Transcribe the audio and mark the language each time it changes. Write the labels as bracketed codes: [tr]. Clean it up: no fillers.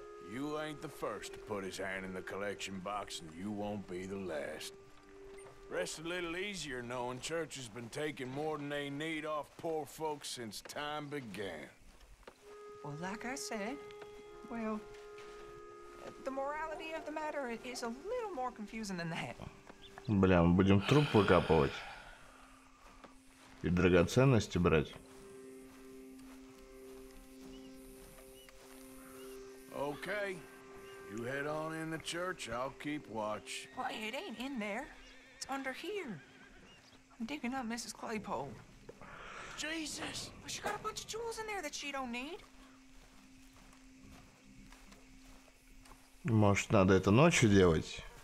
[en] You ain't the first to put his hand in the collection box, and you won't be the last. Rest a little easier knowing church has been taking more than they need off poor folks since time began. Well, like I said, well, the morality of the matter is a little more confusing than that. [ru] Бля, мы будем труп выкапывать и драгоценности брать. [en] Okay, you head on in the church, I'll keep watch. Well, it ain't in there. It's under here. I'm digging up Mrs. Claypole. Jesus! But she got a bunch of jewels in there that she don't need. [ru] Может, надо это ночью делать?